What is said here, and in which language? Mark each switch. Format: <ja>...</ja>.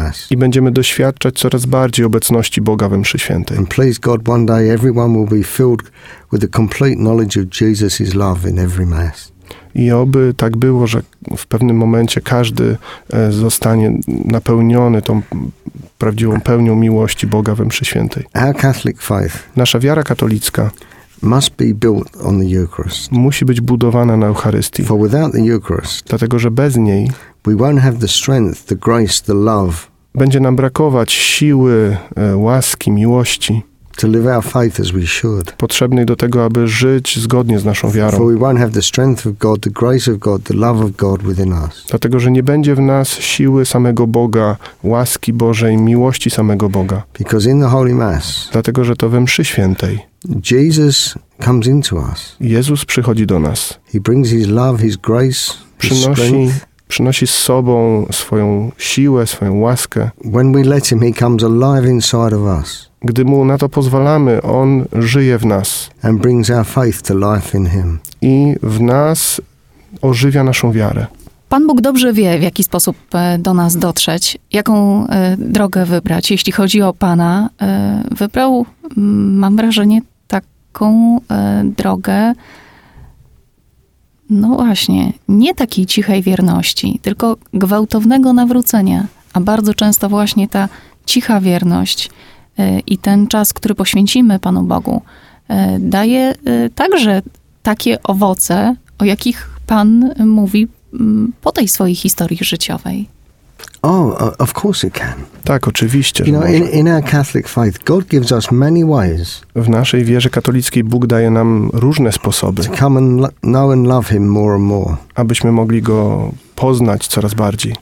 <pl>I będziemy doświadczać coraz bardziej obecności Boga we mszy świętej.</pl> <en>And please God, one day everyone will be filled with the complete knowledge of Jesus' love in every mass.</en> <pl>I oby tak było, że w pewnym momencie każdy zostanie napełniony tą prawdziwą pełnią miłości Boga we mszy świętej.</pl> <en>Our Catholic faith.</en> <pl>Nasza wiara katolicka.</pl> <en>Must be built on the Eucharist.</en> <pl>Musi być budowana na Eucharystii.</pl> <en>For without the Eucharist,</en> <pl>dlatego że bez niej,</pl> <en>we won't have the strength, the grace, the love.</en> <pl>Będzie nam brakować siły, łaski, miłości.</pl> <en>To live our faith as we should.</en> <pl>Potrzebnej do tego, aby żyć zgodnie z naszą wiarą.</pl> <en>For we won't have the strength of God, the grace of God, the love of God within us.</en> <pl>Dlatego że nie będzie w nas siły samego Boga, łaski Bożej, miłości samego Boga.</pl> <en>Because in the Holy Mass.</en> <pl>Dlatego że to we mszy świętej.</pl> <en>Jesus comes into us.</en> <pl>Jezus przychodzi do nas.</pl> <en>He brings his love, his grace,</en> <pl>przynosi z sobą swoją siłę, swoją łaskę.</pl> <en>When we let him, he comes alive inside of us.</en> <pl>Gdy mu na to pozwalamy, on żyje w nas.</pl> <en>And brings our faith to life in him.</en> <pl>I w nas ożywia naszą wiarę. Pan Bóg dobrze wie, w jaki sposób do nas dotrzeć, jaką drogę wybrać. Jeśli chodzi o Pana, wybrał, mam wrażenie, tak taką drogę, no właśnie, nie takiej cichej wierności, tylko gwałtownego nawrócenia. A bardzo często właśnie ta cicha wierność i ten czas, który poświęcimy Panu Bogu, daje także takie owoce, o jakich Pan mówi po tej swojej historii życiowej.</pl> <en>Oh, of course it can.</en> <pl>Tak, oczywiście.</pl> <en>You know, in our Catholic faith, God gives us many ways.</en> <pl>W naszej wierze katolickiej Bóg daje nam różne sposoby.</pl> <en>To come and know and love Him more and more.</en> <pl>Abyśmy mogli go poznać coraz bardziej.</pl>